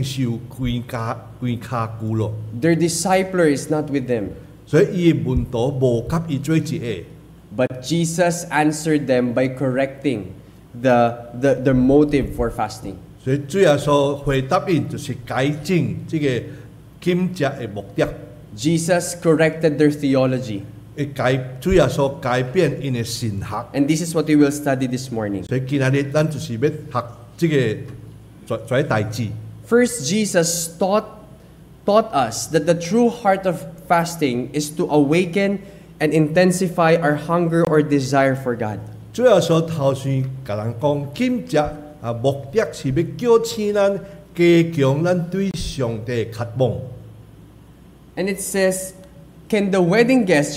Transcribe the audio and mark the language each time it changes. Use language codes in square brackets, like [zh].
[zh] 为什么呢？因为约翰已经受关卡了。 [en] Their disciple is not with them. [zh] 所以他的门徒没跟他一起。 [en] But Jesus answered them by correcting the motive for fasting. [zh] 所以主耶稣回答他就是改进这个禁食的目的。 [en] Jesus corrected their theology. [zh] 主耶稣改变他的神学。 [en] And this is what we will study this morning. [zh] 所以今天我们就是要学 [en] First, Jesus taught us that the true heart of fasting is to awaken and intensify our hunger or desire for God. And it says, "Can the wedding guests?"